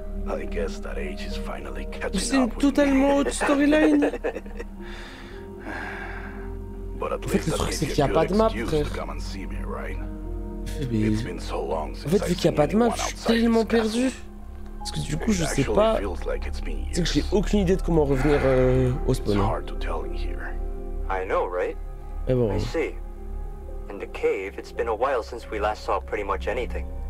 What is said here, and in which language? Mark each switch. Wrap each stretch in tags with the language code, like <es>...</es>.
<en>I guess that age is finally catching</en> <fr>c'est</fr> <en>up with totally me.</en> <fr>Autre storyline.</fr> <en>But at least I'll give you a good excuse to come and see me, right? It's been so long since I've seen anyone outside this castle.</en> <fr>Parce que du coup, je sais pas. C'est que j'ai aucune idée de comment revenir au spawn.</fr> <en>It's hard to tell in here. I know, right?</en> <fr>Mais bon.</fr> <en>I see. In the cave, it's been a while since we last saw pretty much anything.</en>